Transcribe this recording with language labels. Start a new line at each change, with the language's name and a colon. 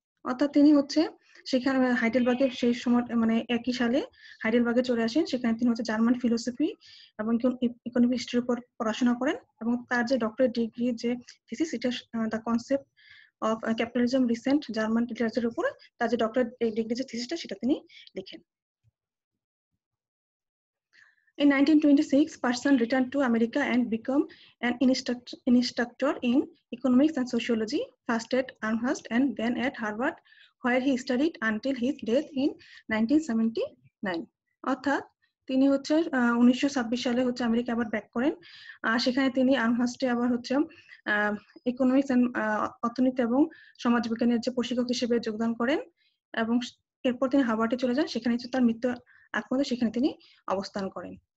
Bangla: অর্থাৎ তিনি হচ্ছে সেখানে হাইডেলবার্গের সেই সময় মানে একই সালে হাইডেলবার্গে চলে আসেন, সেখানে তিনি হচ্ছে জার্মান ফিলোসফি এবং ইকোনমিক হিস্ট্রির উপর পড়াশোনা করেন। এবং তার যে ডক্টরেট ডিগ্রি যে থিসিস, এটা the concept of capitalism recent German লিটারেচারের উপর তার যে ডক্টরেট ডিগ্রি যে থিসিসটা, সেটা তিনি লিখেন।
English: In 1926, Parsons returned to America and became an instructor in economics and sociology, first at Amherst and then at Harvard, where he studied until his death in 1979.
Bangla: অর্থাৎ তিনি হচ্ছে 1926 সালে হচ্ছে আমেরিকা আবার ব্যাক করেন, আর সেখানে তিনি আর্মহার্স্টে আবার হচ্ছে ইকোনমিক্স এন্ড অর্থনীতি এবং সমাজবিজ্ঞানের যে প্রশিক্ষক হিসেবে যোগদান করেন। এবং এরপর তিনি হার্ভার্ডে চলে যান, সেখানে তার মৃত্যু আক্রমণে সেখানে তিনি অবস্থান করেন।